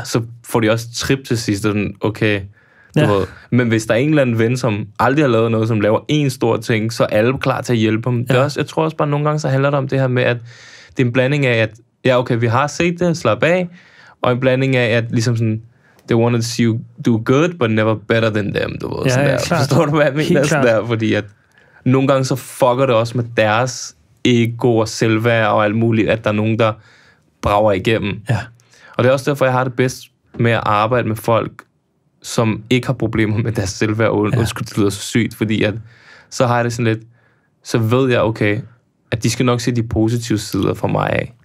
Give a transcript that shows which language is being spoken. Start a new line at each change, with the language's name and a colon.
Danish: så får de også trip til sidst, sådan, okay. Ja. Men hvis der er en eller anden ven, som aldrig har lavet noget, som laver en stor ting, så er alle klar til at hjælpe dem. Ja. Jeg tror også bare, nogle gange så handler det om det her med, at det er en blanding af, at ja, okay, vi har set det, slap af, og en blanding af, at ligesom sådan,
English: they wanted to see you do good, but never better than them.
Danish: Du ved, ja, sådan ja, der. Forstår du, hvad jeg mener? Sådan der, fordi at nogle gange så fucker det også med deres ego og selvværd og alt muligt, at der er nogen, der brager igennem. Ja. Og det er også derfor, jeg har det bedst med at arbejde med folk, som ikke har problemer med deres selvværd, og undskyld, det lyder så sygt, fordi at, så har jeg det sådan lidt, så ved jeg, okay, at de skal nok se de positive sider for mig af.